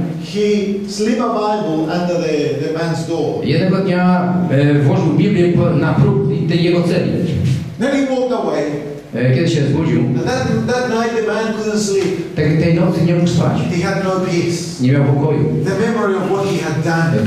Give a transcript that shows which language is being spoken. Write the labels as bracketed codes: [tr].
[en] he slip a Bible under the man's door. [pl] Jednego dnia włożył Biblię na próg tej jego celi. [en] Then he walked away. [pl] Kiedy się zbudził, [en] that night the man couldn't sleep. [pl] Tej nocy nie mógł spać. [en] He had no peace. [pl] Nie miał pokoju. [en] The memory of what he had done.